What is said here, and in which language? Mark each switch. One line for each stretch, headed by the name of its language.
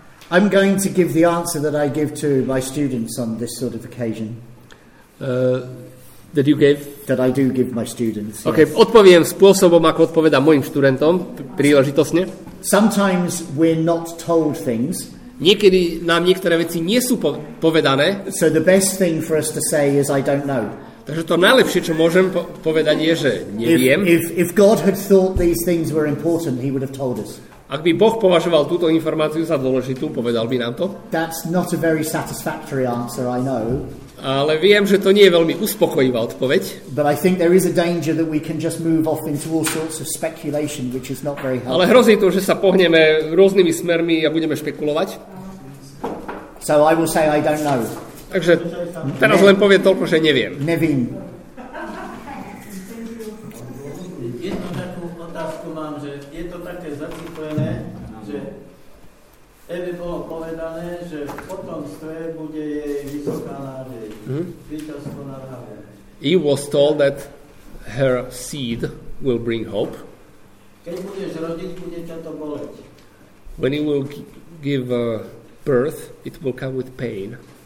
English: I'm going to give the answer that I give to my students on this sort of occasion. That you gave? That I do give my students. Okay, yes.
Slovak: Odpoviem spôsobom, ako odpovedám mojim študentom príležitosne.
English: Sometimes we're not told things.
Slovak: Niekedy nám niektoré veci nie sú povedané.
English: So the best thing for us to say is I don't know.
Slovak: Takže to najlepšie, čo môžem povedať, je, že neviem.
English: If God had thought these things were important, he would have told us.
Slovak: Ak by Boh považoval túto informáciu za dôležitú, povedal by nám to.
English: That's not a very satisfactory answer, I know.
Slovak: Ale viem, že to nie je veľmi uspokojivá odpoveď.
English: But I think there is a danger that we can just move off into all sorts of speculation, which is not very helpful.
Slovak: Ale hrozí to, že sa pohneme rôznymi smermi a budeme špekulovať.
English: So I will say I don't know.
Slovak: Takže teraz len poviem toľko, že neviem.
Czech: Nevím.
Slovak: Jednu takú otázku mám, že je to také zacitované, že Eve bolo povedané, že v potomstve bude jej vysoká nádej, víťazstvo nad hadom.
English: Eve was told that her seed will bring hope.
Slovak: Keď budeš rodiť, bude ťa to boleť.
English: When you will give birth, it will come with pain.